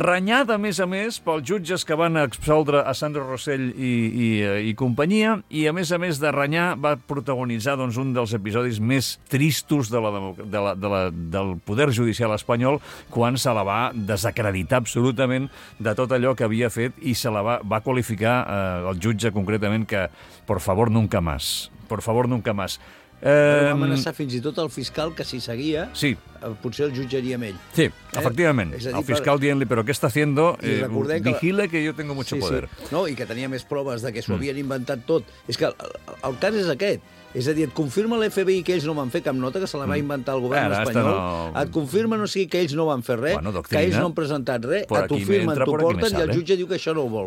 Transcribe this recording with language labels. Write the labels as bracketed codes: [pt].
[ca] Renyada, a més, pels jutges que van absoldre a Sandro Rosell i companyia, i a més de renyar, va protagonitzar, doncs, un dels episodis més tristos del poder judicial espanyol, quan se la va desacreditar absolutament de tot allò que havia fet, i se la va qualificar, el jutge concretament, que, [es] por favor, nunca más. Por favor, nunca más. [ca] Va amenaçar fins i tot el fiscal que, si seguia, potser el jutjaria amb ell. Sí, efectivament. Dir, el fiscal dient-li, però què està haciendo? [es] Vigile, que yo tengo mucho poder. [ca] Sí. No, i que tenia més proves de que s'ho havien inventat tot. És que el cas és aquest. És a dir, et confirma l'FBI que ells no van fer cap nota, que se la va inventar el govern espanyol. Et confirma, no sigui, que ells no van fer res, bueno, doctrina, que ells no han presentat res, a tu firmen, t'ho porten, i el jutge diu que això no ho vol